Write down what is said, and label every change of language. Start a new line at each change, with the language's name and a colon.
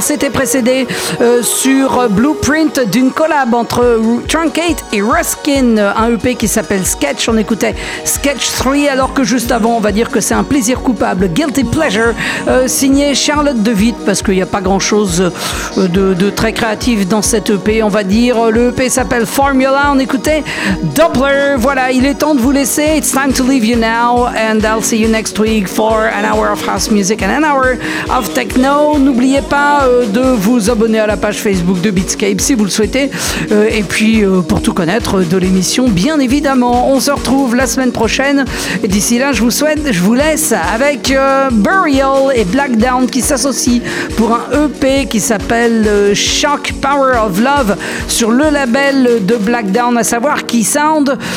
French: C'était précédé sur Blueprint d'une collab entre Truncate et Ruskin, un EP qui s'appelle Sketch. On écoutait Sketch 3, alors que juste avant, on va dire que c'est un plaisir coupable, Guilty Pleasure, signé Charlotte de Witte, parce qu'il n'y a pas grand chose de très créatif dans cet EP, on va dire. Le EP s'appelle Formula. On écoutait Doppler. Voilà, il est temps de vous laisser.
English: It's time to leave you now and I'll see you next week for an hour of house music and an hour of techno.
French: N'oubliez pas de vous abonner à la page Facebook de Beatscape si vous le souhaitez, et puis pour tout connaître de l'émission, bien évidemment. On se retrouve la semaine prochaine et d'ici là je vous laisse avec Burial et Blackdown qui s'associent pour un EP qui s'appelle Shock Power of Love sur le label de Blackdown, à savoir Key Sound.